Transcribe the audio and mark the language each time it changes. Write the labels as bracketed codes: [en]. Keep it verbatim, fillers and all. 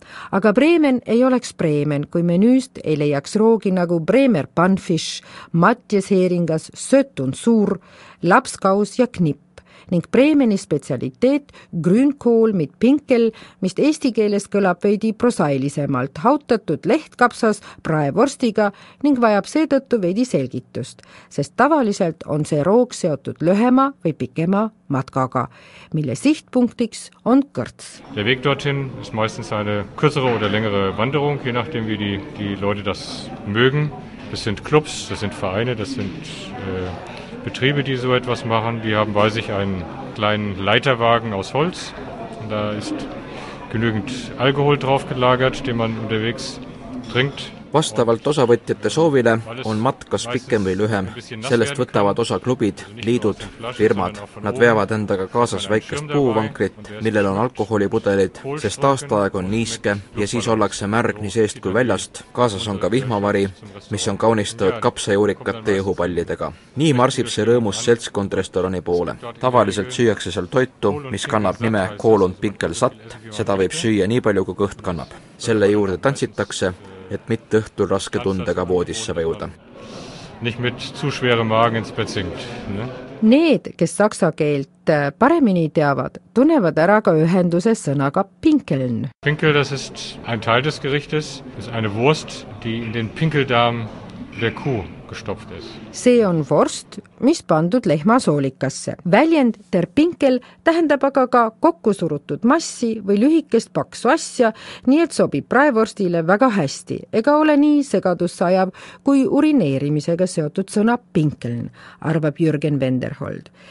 [et] Aga Bremen ei oleks Bremen, kui menüüst ei leiaks roogi nagu Bremer Panfisch, Matjesheeringas, Sött und Suur, Lapskaus ja Knipp ning Bremeni spetsialiteet grünkool mit Pinkel, mis eesti keeles kõlab veidi prosailisemalt, hautatud lehtkapsas praevorstiga ning vajab seetõttu veidi selgitust, sest tavaliselt on see roog seotud lühema või pikema matkaga, mille sichtpunktiks on Kõrts. [de] Der Weg dorthin ist meistens eine kürzere oder längere Wanderung, je nachdem wie die, die Leute das mögen. Das sind Clubs, das sind Vereine, das sind äh Betriebe, die so etwas machen, die haben bei sich einen kleinen Leiterwagen aus Holz. Da ist genügend Alkohol drauf gelagert, den man unterwegs trinkt. [et] Vastavalt osavõtjate soovile on matkas pikem või lühem. Sellest võtavad osa klubid, liidud, firmad. Nad veavad endaga kaasas väikest puuvankrit, millel on alkoholipudelid, sest aastaaeg on niiske ja siis ollakse märg nii seest kui väljast. Kaasas on ka vihmavari, mis on kaunistatud kapsajuurikate jõhupallidega. Nii marsib see rõõmus seltskond restorani poole. Tavaliselt süüakse seal toitu, mis kannab nime Kool und Pinkel satt. Seda võib süüa nii palju kui kõht kannab. Selle juurde tantsitakse, et mitte õhtul raske tundega voodisse vajuda. [de] Nicht mit zu schwere Magen ins Bett sinkt, ne? [et] Need, kes saksa keelt paremini teavad, tunnevad ära ka ühenduse sõnaga Pinkeln. [de] Pinkel, das ist ein Teil des Gerichtes, ist eine Wurst, die in den Pinkeldarm der Kuh gestopft ist. [et] See on vorst, mis pandud lehma soolikasse. Väljend der Pinkel tähendab aga ka kokkusurutud massi või lühikest paksu asja, nii et sobib praevorstile väga hästi. Ega ole nii segadusse ajav, kui urineerimisega seotud sõna Pinkeln, arvab Jürgen Wenderhold.